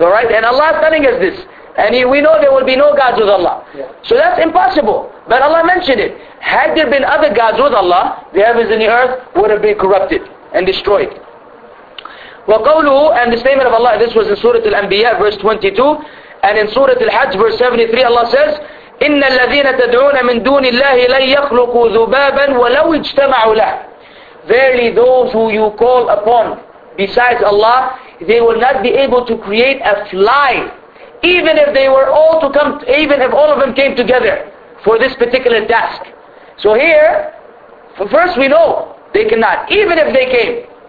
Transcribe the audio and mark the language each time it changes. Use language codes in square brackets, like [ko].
[en] All right, and Allah is telling us this. And we know there will be no gods with Allah. Yeah. So that's impossible. But Allah mentioned it. Had there been other gods with Allah, the heavens and the earth would have been corrupted and destroyed. [ar] وَقَوْلُهُ, [en] and the statement of Allah, this was in Surah Al-Anbiya, verse 22. And in Surah Al-Hajj, verse 73, Allah says, [ar] إِنَّ الَّذِينَ تَدْعُونَ مِن دُونِ اللَّهِ لَنْ يَخْلُقُوا ذُبَابًا وَلَوْ اجْتَمَعُوا لَهُ. [en] Verily those who you call upon besides Allah, they will not be able to create a fly. Even if they were all to come, even if all of them came together for this particular task. So here, first we know they cannot, even if they came.